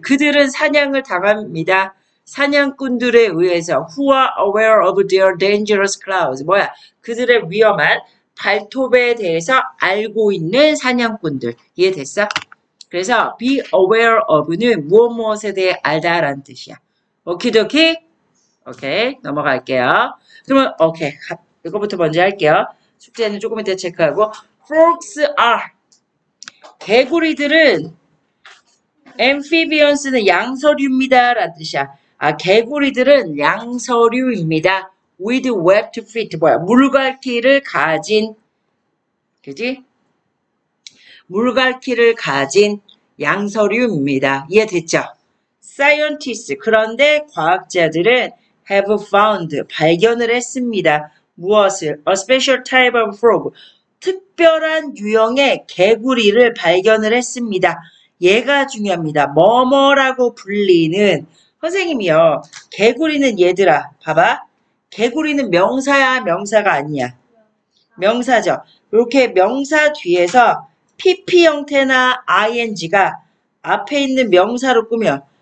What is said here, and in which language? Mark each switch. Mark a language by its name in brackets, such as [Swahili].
[Korean] 그들은 사냥을 당합니다. 사냥꾼들에 의해서. [English] who are aware of their dangerous claws. [Korean] 뭐야? 그들의 위험한 발톱에 대해서 알고 있는 사냥꾼들. 이해됐어? 그래서 be aware of는 무엇무엇에 대해 알다라는 뜻이야. 오키도키? 오케이. 넘어갈게요. 그러면, 오케이. 이거부터 먼저 할게요. 숙제는 조금 이따 체크하고. [English] Frogs are. [Korean] 개구리들은 amphibians는 양서류입니다라는 뜻이야. 아, 개구리들은 양서류입니다. [English] with web to feet. [Korean] 뭐야? 물갈퀴를 가진 그지? 물갈퀴를 가진 양서류입니다. 이해됐죠? [English] Scientists, [Korean] 그런데 과학자들은 [English] have found, [Korean] 발견을 했습니다. 무엇을? [English] A special type of frog. [Korean] 특별한 유형의 개구리를 발견을 했습니다. 얘가 중요합니다. 뭐뭐라고 불리는. 선생님이요. 개구리는 얘들아. 봐봐. 개구리는 명사야, 명사가 아니야? 명사죠. 이렇게 명사 뒤에서 PP 형태나 ING가 앞에 있는 명사로 꾸며.